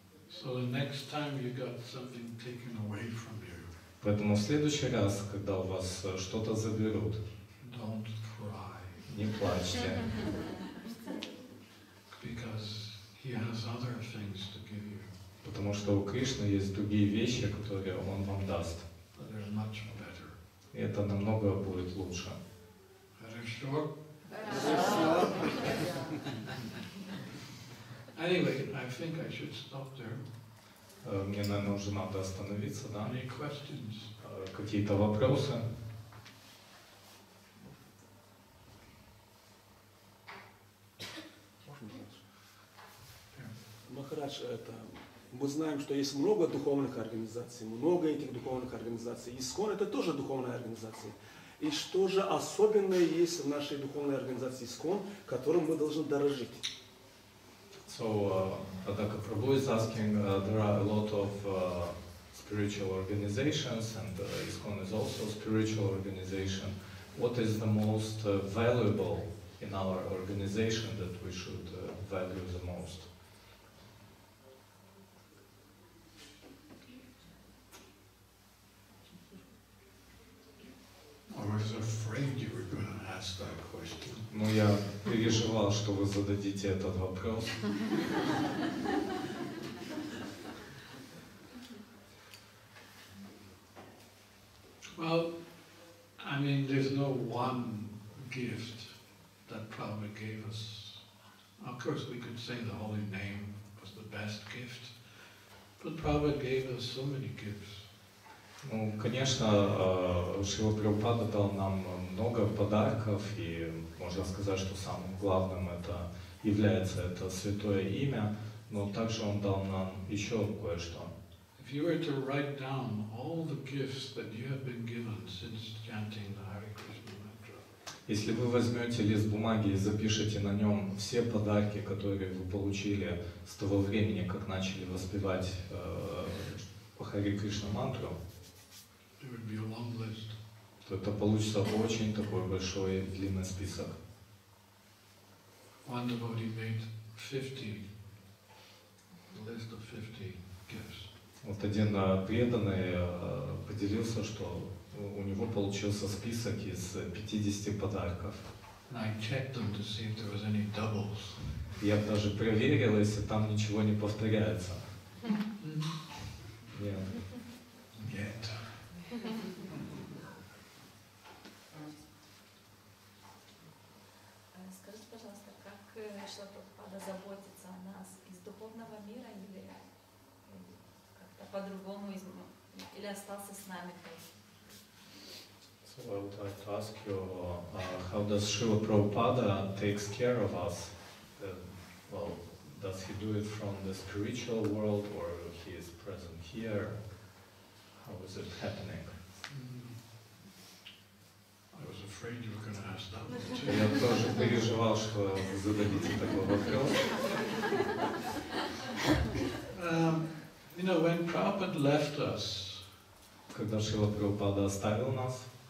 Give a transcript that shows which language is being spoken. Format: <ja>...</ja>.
<en>So the next time you got something taken away from you.</en> <ru>Поэтому в следующий раз, когда у вас что-то заберут,</ru> <en>don't cry.</en> <ru>Не плачьте.</ru> <en>Because he has other things to give you.</en> <ru>Потому что у Кришны есть другие вещи, которые он вам даст.</ru> <en>But they're much better.</en> <ru>И это намного будет лучше. Хорошо? Хорошо.</ru> <en>Anyway, I think I should stop there.</en> <ru>Мне, наверное, уже надо остановиться, да?</ru> <en>Any questions?</en> <ru>Какие-то вопросы? Махарадж, это мы знаем, что есть много духовных организаций, много этих духовных организаций. ИСКОН — это тоже духовная организация. И что же особенное есть в нашей духовной организации ИСКОН, которым мы должны дорожить?</ru> <en>So, Adaka Prabhu is asking, there are a lot of spiritual organizations, and ISKCON is also a spiritual organization. What is the most valuable in our organization that we should value the most? I was afraid you were going to ask that question.</en> <ru>Ну, я переживал, что вы зададите этот вопрос.</ru> <en>Well, I mean, there's no one gift that Prabhupada gave us. Of course, we could say the holy name was the best gift, but Prabhupada gave us so many gifts.</en> <ru>Ну, конечно, Шрила Прабхупада дал нам много подарков, и можно сказать, что самым главным это является это святое имя, но также он дал нам еще кое-что.</ru> <en>If you were to write down all the gifts that you have been given since chanting the Hare Krishna mantra.</en> <ru>Если вы возьмете лист бумаги и запишете на нем все подарки, которые вы получили с того времени, как начали воспевать Hare Krishna мантру.</ru> <en>It would be a long list.</en> <ru>То это получится очень такой большой длинный список.</ru> <en>One devotee made 50, a list of 50 gifts.</en> <ru>Вот один преданный поделился, что у него получился список из 50 подарков.</ru> <en>And I checked them to see if there was any doubles.</en> <ru>Я даже проверил, если там ничего не повторяется. Нет. Нет. Скажите, пожалуйста, как Шрила Прабхупада заботится о нас из духовного мира или как-то по-другому или остался с нами?</ru> <en>So I would like to ask you, how does Shrila Prabhupada takes care of us? Well, does he do it from the spiritual world or he is present here? How is it happening? I was afraid you were going to ask that one too.</en> <ru>Я тоже переживал, что вы зададите такой вопрос.</ru> <en>You know, when Prabhupada left us,</en> <ru>когда Шрила Прабхупада оставил нас,</ru>